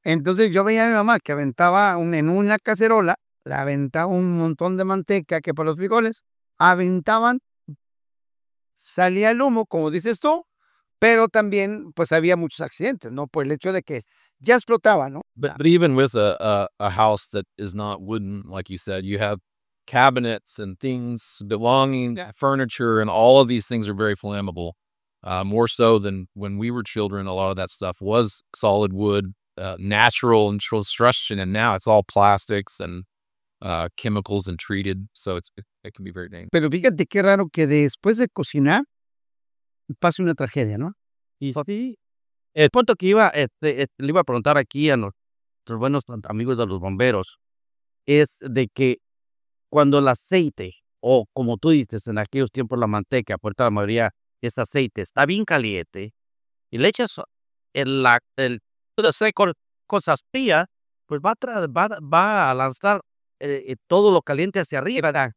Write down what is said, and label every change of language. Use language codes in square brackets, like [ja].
[es] Entonces yo veía a mi mamá que aventaba en una cacerola, la aventaba un montón de manteca que para los frijoles, aventaban, salía el humo, como dices tú, pero también pues había muchos accidentes, ¿no? Por el hecho de que ya explotaba, ¿no? [en] But even with a house that is not wooden, like you said, you have cabinets and things belonging, yeah, furniture, and all of these things are very flammable, more so than when we were children. A lot of that stuff was solid wood, natural and construction, and now it's all plastics and chemicals and treated, so it can be very dangerous. [es] Pero fíjate qué raro que después de cocinar pase una tragedia, ¿no? Sí. El punto que iba, le iba a preguntar aquí a nuestros buenos amigos de los bomberos es de que cuando el aceite, o como tú dices, en aquellos tiempos la manteca, por toda la mayoría, es aceite, está bien caliente, y le echas el aceite con saspía, pues va a lanzar todo lo caliente hacia arriba.